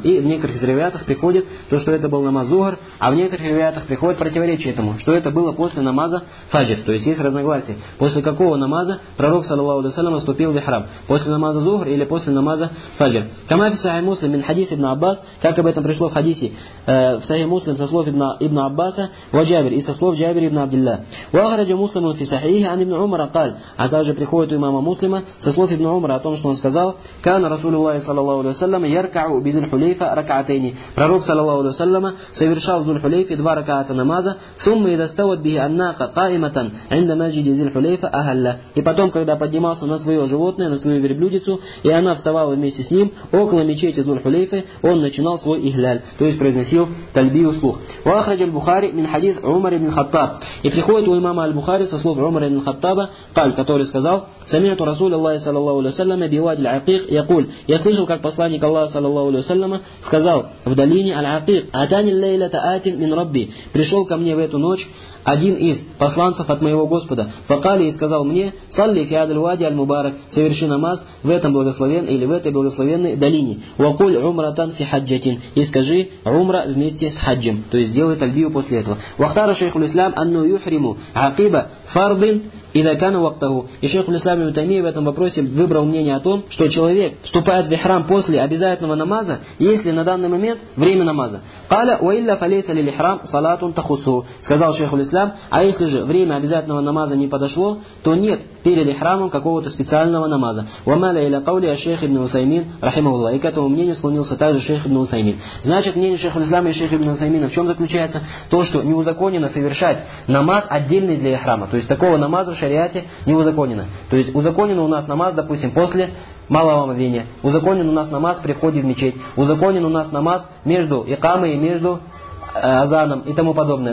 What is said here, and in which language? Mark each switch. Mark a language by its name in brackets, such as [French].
[Russian] И в некоторых ривайатах приходит то, что это был намаз зухр, а в некоторых ривайатах приходит противоречие этому, что это было после намаза фаджр. То есть есть разногласия. После какого намаза пророк саллаллаху алейхи ва саллям вступил в ихрам? После намаза зухр или после намаза фаджр? [Arabic] «Кама фи сахих муслим мин хадис ибн Аббас». [Russian] Как об этом пришло в хадисе в сахих муслим со слов ибн Аббаса: [Arabic] وجابر [Russian] и со слов Джабир ибн Абдилла. [Arabic] وأخرج مسلم في صحيحه عن ابن عمر قال. [Russian] А также приходит у имама Муслима со слов ибн Умара о том, что он сказал: [Arabic] كان رسول الله صلى الله عليه وسلم يركع بذو الحليفة ركعتين. [Russian] Пророк [Arabic] صلى الله عليه وسلم [Russian] совершал [Arabic] ذو الحليفة [Russian] два ركعата намаза, [Arabic] ثم إذا استوت به الناقة قائمة عند مسجد ذو الحليفة أهلا. [Russian] И потом, когда поднимался на свое животное, на свою верблюдицу, и она вставала вместе с ним около мечети ذو الحليفة, он начинал свой ихляль, то есть произносил тальбию вслух. [Arabic] وأخرج البخاري من حديث عمر بن الخطاب. [Russian] И приходит у имама аль-Бухари со слов Умара ибн Хаттаба, который сказал: [Arabic] سمعت رسول الله صلى الله عليه وسلم بوادي العقيق يقول. [Russian] Я слышал, как посланник Аллаха [Arabic] صلى الله عليه وسلم [Russian] сказал: в долине аль-Акик, [Arabic] атани ллейла таатин мин Робби, [Russian] пришел ко мне в эту ночь один из посланцев от моего Господа. [Arabic] Факали, [Russian] и сказал мне: [Arabic] салли фи адль вади аль-Мубарак, [Russian] соверши намаз в этом благословенном или в этой благословенной долине. [Arabic] Вакуль умратан фи хаджатин, [Russian] и скажи: умра вместе с хаджем, то есть сделай тальбию после этого. [Arabic] Вахтара шейхул ислам анну юхриму акиба фардин إذا كان وقته. [Russian] И шейх ислам ибн Таймия в этом вопросе выбрал мнение о том, что человек вступает в ихрам после обязательного намаза, если на данный момент время намаза. [Arabic] قال وإلا فليس للإحرام صلاة تخصه. [Russian] Сказал шейх ислам: а если же время обязательного намаза не подошло, то нет перед ихрамом какого-то специального намаза. [Arabic] وما لا إلى قولي الشيخ ابن عثيمين رحمه الله. [Russian] И к этому мнению склонился также шейх ибн Усаймин. Значит, мнение шейх ислама и шейх ибн Усаймина в чем заключается? То, что неузаконено совершать намаз отдельный для ихрама. То есть такого намаза шариате не узаконено. То есть узаконен у нас намаз, допустим, после малого омовения. Узаконен у нас намаз при входе в мечеть. Узаконен у нас намаз между икамой и между азаном и тому подобное.